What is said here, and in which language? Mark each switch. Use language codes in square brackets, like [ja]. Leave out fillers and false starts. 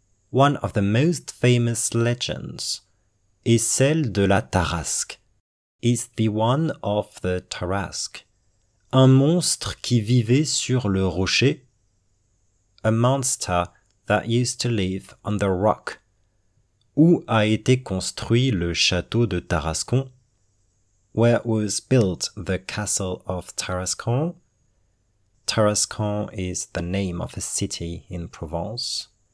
[en] One of the most famous legends is [fr] celle de la Tarasque. [en] Is the one of the Tarasque. [fr] Un monstre qui vivait sur le rocher. [en] A monster that used to live on the rock. [fr] Où a été construit le château de Tarascon. [en] Where was built the castle of Tarascon. Tarascon is the name of a city in Provence.